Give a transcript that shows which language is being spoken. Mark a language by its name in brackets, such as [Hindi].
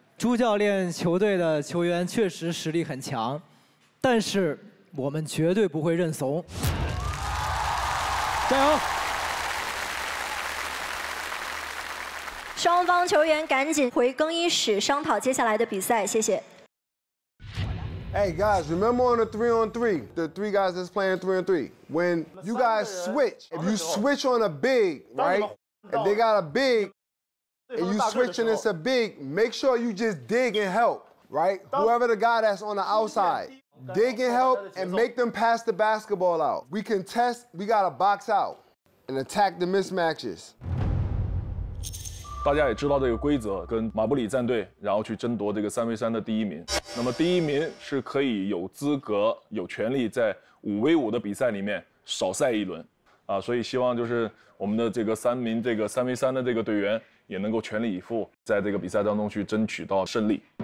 [Chinese] 朱教练球队的球员确实实力很强，但是我们绝对不会认怂，加油。双方球员赶紧回更衣室商讨接下来的比赛，谢谢。 [English] Hey guys, remember on the 3-on-3, the three guys that's playing 3-on-3, when you guys switch, if you switch on a big, right? If they got a big and you switch and it's a big, make sure you just dig and help, right? Whoever the guy that's on the outside. Dig and help and make them pass the basketball out. We can test, we gotta box out and attack the mismatches. [Chinese] 大家也知道这个规则，跟马布里战队然后去争夺这个三 v 三的第一名。那么第一名是可以有资格有权利在五 v 五的比赛里面少赛一轮啊，所以希望就是我们的这个三名这个三 v 三的这个队员也能够全力以赴在这个比赛当中去争取到胜利。